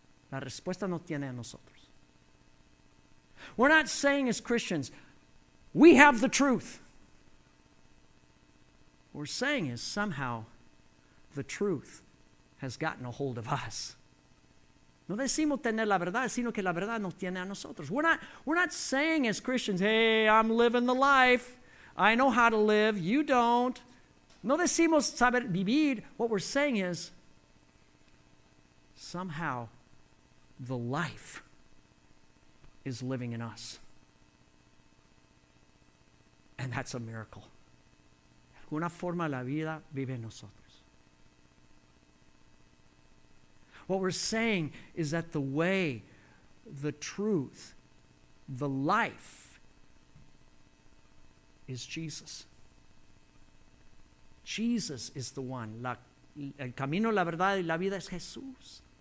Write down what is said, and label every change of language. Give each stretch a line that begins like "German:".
Spanish: La respuesta no tiene a nosotros.
English: We're not saying as Christians, we have the truth. What we're saying is somehow the truth has gotten a hold of us.
Spanish: No decimos tener la verdad, sino que la verdad nos tiene a nosotros.
English: We're not saying as Christians, hey, I'm living the life. I know how to live. You don't.
Spanish: No decimos saber vivir.
English: What we're saying is somehow the life is living in us. And that's a miracle.
Spanish: Alguna forma la vida vive en nosotros.
English: What we're saying is that the way, the truth, the life is Jesus. Jesus is the one.
Spanish: El camino, la verdad y la vida es Jesús.